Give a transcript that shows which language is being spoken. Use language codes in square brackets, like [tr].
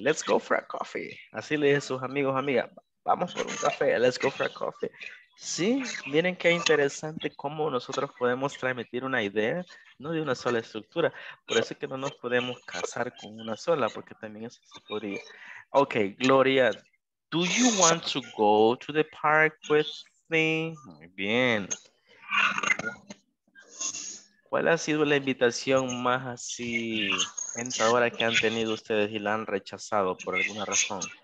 [en] Let's go for a coffee. [es] Así le dice a sus amigos, amigas, vamos por un café, [en] let's go for a coffee. [es] Sí, miren qué interesante cómo nosotros podemos transmitir una idea, no de una sola estructura. Por eso es que no nos podemos casar con una sola, porque también eso se podría. [en] Ok, Gloria, do you want to go to the park with me? [es] Muy bien. ¿Cuál ha sido la invitación más así tentadora que han tenido ustedes y la han rechazado por alguna razón?